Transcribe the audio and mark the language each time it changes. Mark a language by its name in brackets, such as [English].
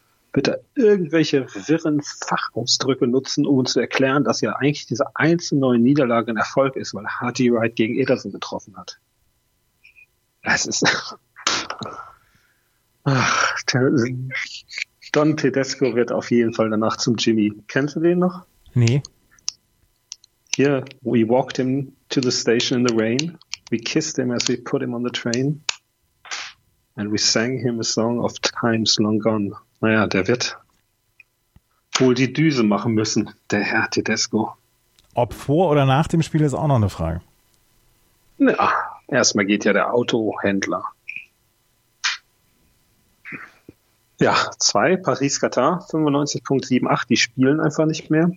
[German] Bitte irgendwelche wirren Fachausdrücke nutzen, um uns zu erklären, dass ja eigentlich diese 1-9 Niederlage ein Erfolg ist, weil Hardy Wright gegen Ederson getroffen hat. Das ist. Ach, Don Tedesco wird auf jeden Fall danach zum Jimmy. Kennst du den noch? Nee. Hier, [English] we walked him to the station in the rain. We kissed him as we put him on the train. And we sang him a song of times long gone. [German] Naja, der wird wohl die Düse machen müssen, der Herr Tedesco. Ob vor oder nach dem Spiel ist auch noch eine Frage. Ja, erstmal geht ja der Autohändler. Ja, 2, Paris-Katar, 95.78, die spielen einfach nicht mehr.